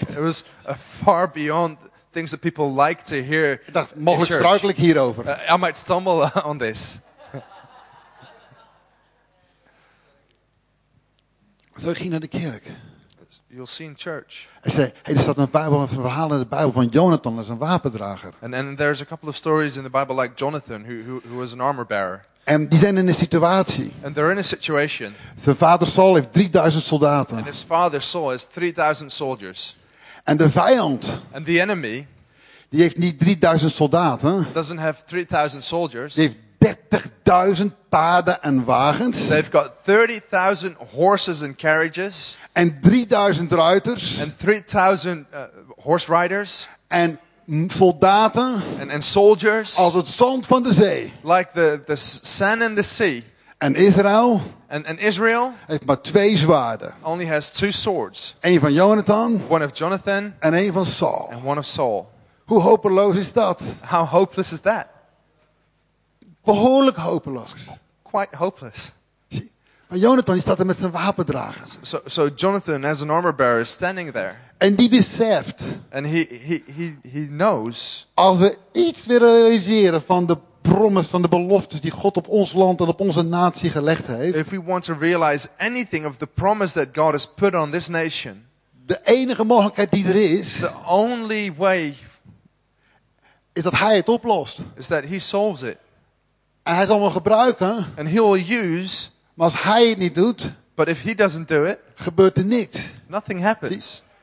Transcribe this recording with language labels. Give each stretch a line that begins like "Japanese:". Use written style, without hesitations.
English: It was far beyond. Things that people like to hear.
Dutch: Ik dacht, mogelijk struikel ik hierover.
English: I might stumble on this.
Dutch: Zo ging ik naar de kerk.
English: You'll see in church.
Dutch: Hij zei, hey, er staat een verhaal in de Bijbel van Jonathan, dat is een wapendrager.
English: And there's a couple of stories in the Bible like Jonathan, who was an armor bearer.
Dutch: En die zijn in een situatie.
English: And they're in a situation.
Dutch: Zijn vader Saul heeft 3000 soldaten.
English: And his father Saul has 3000 soldiers.
Dutch: En de vijand,
English: and the enemy,
Dutch: die heeft niet 3000 soldaten,
English: doesn't have 3000 soldiers.
Dutch: Die heeft 30.000 paarden en wagens.
English: They've got 30.000 horses and carriages.
Dutch: En 3000 ruiters.
English: And 3000 horse riders.
Dutch: En soldaten.
English: And soldiers.
Dutch: Als het zand van de zee.
English: Like the sand in the sea.
Dutch: En Israël.
English: And Israel
Dutch: heeft maar twee zwaarden.
English: Only has two swords.
Dutch: Eén van Jonathan.
English: One of Jonathan.
Dutch: En één van Saul.
English: And one of Saul.
Dutch: Hoe hopeloos is dat?
English: How hopeless is that?
Dutch: Behoorlijk hopeloos.
English: Quite hopeless.
Dutch: Maar Jonathan die staat er met zijn wapendrager.
English: So Jonathan as an armor bearer is standing there.
Dutch: En die beseft.
English: And he knows.
Dutch: Als we iets willen realiseren van de promise van de beloftes die God op ons land en op onze natie gelegd heeft.
English: If we want to realize anything of the promise that God has put on this nation.
Dutch: De enige mogelijkheid die er is.
English: The only way.
Dutch: Is dat hij het oplost.
English: Is that he solves it.
Dutch: En hij zal hem gebruiken.
English: And he will use.
Dutch: Maar als hij het niet doet.
English: But if he doesn't do it.
Dutch: Gebeurt er niks.
English: Nothing happens.